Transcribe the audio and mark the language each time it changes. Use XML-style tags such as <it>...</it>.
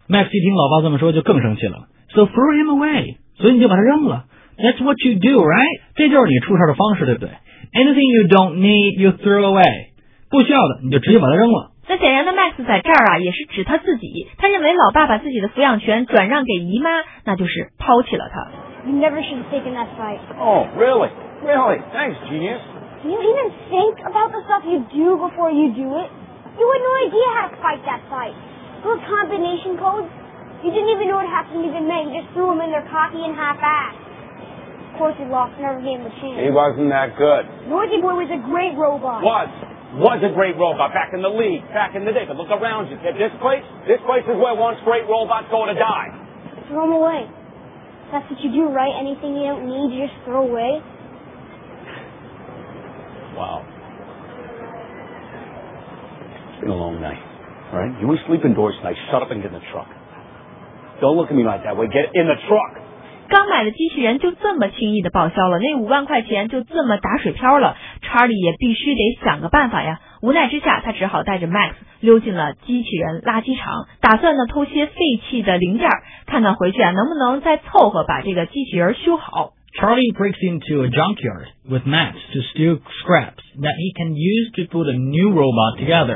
<zh>Max 一听老爸这么说就更生气了，</zh> <en>So throw him away，</en> <zh>所以你就把他扔了，</zh> <en>That's what you do right，</en> <zh>这就是你出事的方式对不对？</zh> <en>Anything you don't need you throw away，</en> <zh>不需要的你就直接把他扔了。那显然的 Max 在这儿啊也是指他自己，他认为老爸把自己的抚养权转让给姨妈，那就是抛弃了他。</zh> <en>You never should have taken that fight. Oh, really? Really? Thanks, genius. Do you even think about the stuff you do before you do it? You had no idea how to fight that fight. Those combination codes, you didn't even know what happened to the men. You just threw them in their coffee and half-assed. Of course, you lost and never gave him a chance. He wasn't that good. Noisy Boy was a great robot. Was a great robot back in the league, back in the day. But look around you. At this place is where once great robots go to die. Throw them away. That's what you do, right? Anything you don't need, you just throw away. Wow. It's been a long night, right? You want to sleep indoors tonight, shut up and get in the truck. Don't look at me like that way. Get in the truck.</en> <zh>刚买的机器人就这么轻易的报销了，那五万块钱就这么打水漂了，查理也必须得想个办法呀。无奈之下，他只好带着 Max 溜进了机器人垃圾场，打算呢偷些废弃的零件，看看回去啊能不能再凑合把这个机器人修好。</zh> <en>Charlie breaks into a junkyard with Max to steal scraps that he can use to put a new robot together.</en>